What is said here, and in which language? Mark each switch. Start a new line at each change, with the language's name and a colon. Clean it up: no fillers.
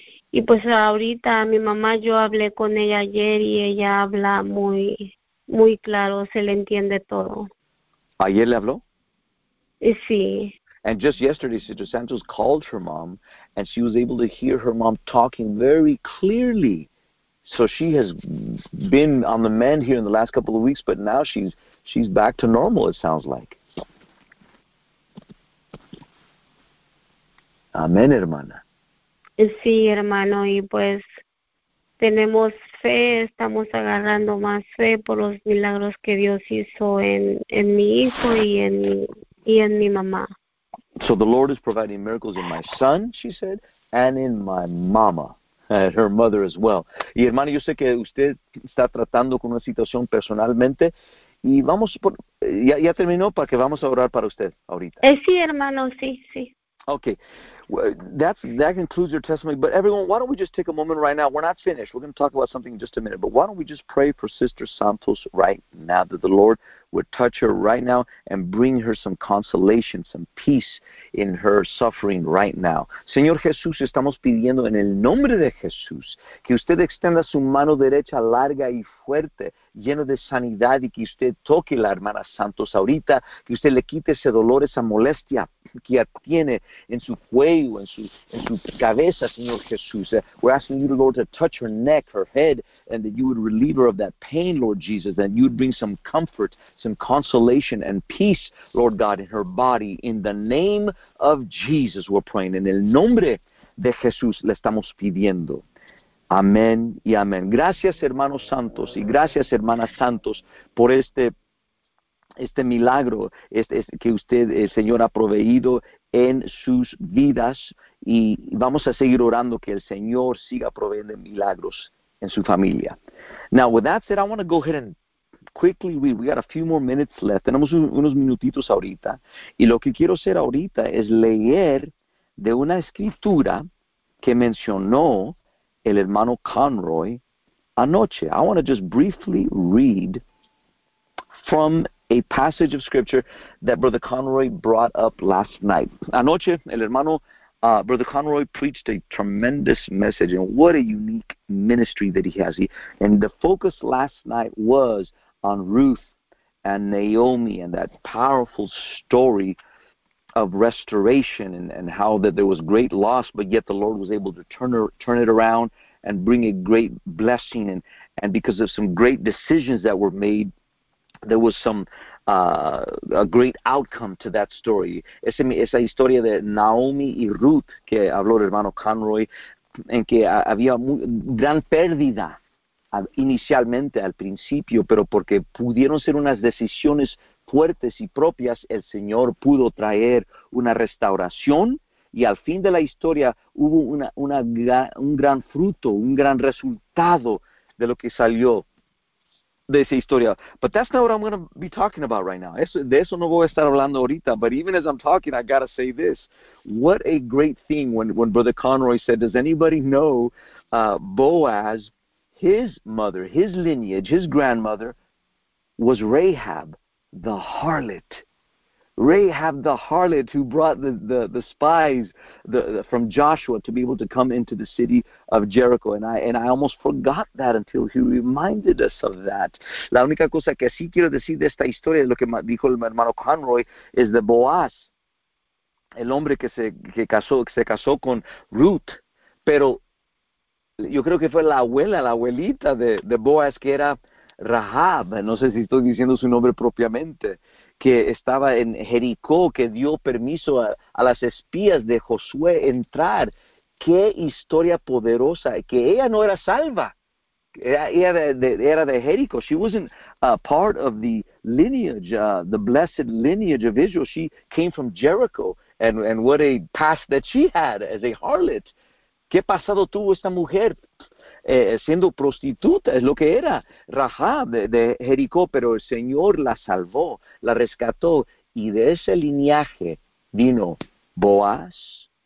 Spanish: Y pues ahorita mi mamá, yo hablé con ella ayer y ella habla muy, muy claro, se le entiende todo. ¿Ayer le habló? Sí.
English: And just yesterday, Sister Santos called her mom, and she was able to hear her mom talking very clearly. So she has been on the mend here in the last couple of weeks, but now she's back to normal, it sounds like.
Spanish: Amén, hermana. Sí, hermano, y pues tenemos fe, estamos agarrando más fe por los milagros que Dios hizo en mi hijo y en mi mamá.
English: So the Lord is providing miracles in my son, she said, and in my mama, and her mother as well.
Spanish: Y hermano, yo sé que usted está tratando con una situación personalmente, y ya terminó, para que vamos a orar para usted ahorita. Sí, hermano, sí.
English: Okay, well, that concludes your testimony. But everyone, why don't we just take a moment right now? We're not finished. We're going to talk about something in just a minute. But why don't we just pray for Sister Santos right now that the Lord would touch her right now and bring her some consolation, some peace in her suffering right now.
Spanish: Señor Jesús, estamos pidiendo en el nombre de Jesús que usted extienda su mano derecha larga y fuerte, lleno de sanidad, y que usted toque la hermana Santos ahorita, que usted le quite ese dolor, esa molestia que tiene en su cuello, en su cabeza, Señor Jesús.
English: We're asking you, Lord, to touch her neck, her head, and that you would relieve her of that pain, Lord Jesus, that you would bring some comfort, some consolation, and peace, Lord God, in her body. In the name of Jesus, we're praying.
Spanish: En el nombre de Jesús le estamos pidiendo. Amén y amén. Gracias, hermanos santos, y gracias, hermanas santos, por este milagro que usted, el Señor, ha proveído en sus vidas. Y vamos a seguir orando que el Señor siga proveyendo milagros en su familia.
English: Now, with that said, I want to go ahead and quickly read. We got a few more minutes left.
Spanish: Tenemos unos minutitos ahorita. Y lo que quiero hacer ahorita es leer de una escritura que mencionó el hermano Conroy anoche.
English: I want to just briefly read from a passage of scripture that Brother Conroy brought up last night.
Spanish: Anoche, el hermano
English: Brother Conroy preached a tremendous message, and what a unique ministry that he has. And the focus last night was on Ruth and Naomi and that powerful story of restoration, and how that there was great loss, but yet the Lord was able to turn it around and bring a great blessing. And because of some great decisions that were made, there was some a great outcome to that story.
Spanish: Esa historia de Naomi y Ruth que habló el hermano Conroy, en que había gran pérdida inicialmente al principio, pero porque pudieron ser unas decisiones fuertes y propias, el Señor pudo traer una restauración, y al fin de la historia hubo un gran fruto, un gran resultado de lo que salió de esa historia.
English: But that's not what I'm going to be talking about right now.
Spanish: De eso no voy a estar hablando ahorita.
English: But even as I'm talking, I got to say this. What a great thing when Brother Conroy said, does anybody know Boaz, his mother, his lineage, his grandmother was Rahab, the harlot. Rahab, the harlot, who brought the spies from Joshua to be able to come into the city of Jericho. And I almost forgot that until he reminded us of that.
Spanish: La única cosa que sí quiero decir de esta historia, lo que dijo el hermano Conroy, es de Boaz, el hombre que se casó con Ruth. Pero yo creo que fue la abuela, la abuelita de Boaz, que era Rahab. No sé si estoy diciendo su nombre propiamente, que estaba en Jericó, que dio permiso a las espías de Josué entrar. ¡Qué historia poderosa! Que ella no era salva. Ella era de Jericó.
English: She wasn't a part of the lineage, the blessed lineage of Israel. She came from Jericho. And what a past that she had as a harlot.
Spanish: ¿Qué pasado tuvo esta mujer? Siendo prostituta, es lo que era Rahab de Jericó, pero el Señor la salvó, la rescató, y de ese linaje vino Boaz.